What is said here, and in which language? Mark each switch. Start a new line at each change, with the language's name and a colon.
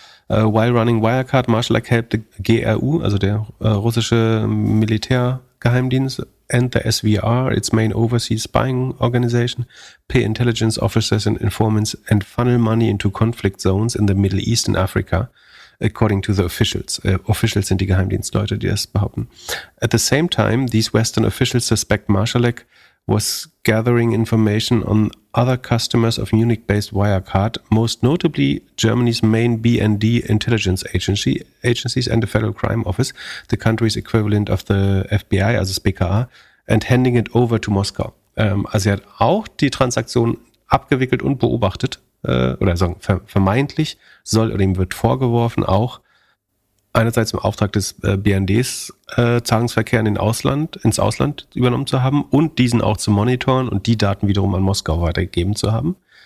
English: While running Wirecard, Masalek helped the GRU,
German: also der russische Militärgeheimdienst,
English: and the SVR, its main overseas spying organization, pay intelligence officers and informants and funnel money into conflict zones in the Middle East and Africa, according to the officials.
German: Officials sind die Geheimdienstleute, die das behaupten.
English: At the same time, these Western officials suspect Masalek was gathering information on other customers of Munich-based Wirecard, most notably Germany's main BND intelligence agencies and the Federal Crime Office, the country's equivalent of the FBI,
German: also das BKA,
English: and handing it over to Moscow.
German: Also er hat auch die Transaktion abgewickelt und beobachtet, vermeintlich soll oder ihm wird vorgeworfen, auch einerseits im Auftrag des BNDs Zahlungsverkehr ins Ausland übernommen zu haben und diesen auch zu monitoren und die Daten wiederum an Moskau weitergegeben zu haben.